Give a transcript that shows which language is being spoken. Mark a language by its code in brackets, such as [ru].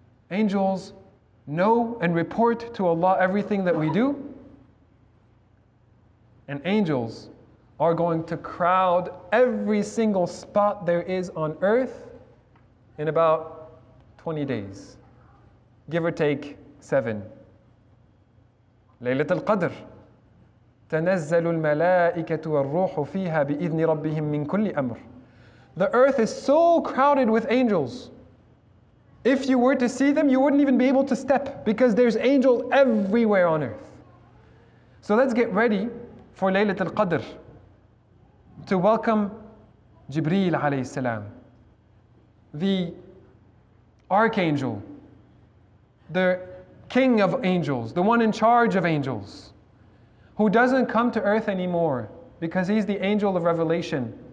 [en] Angels know and report to Allah everything that we do. And angels are going to crowd every single spot there is on earth in about 20 days, give or take 7. Laylat al-Qadr. [ar] تنزل الملائكة والروح فيها بإذن ربهم من كل أمر. [en] The earth is so crowded with angels. If you were to see them, you wouldn't even be able to step because there's angels everywhere on earth. So let's get ready for Laylat al-Qadr to welcome Jibreel alayhi salam, the archangel, the king of angels, the one in charge of angels, who doesn't come to earth anymore because he's the angel of revelation.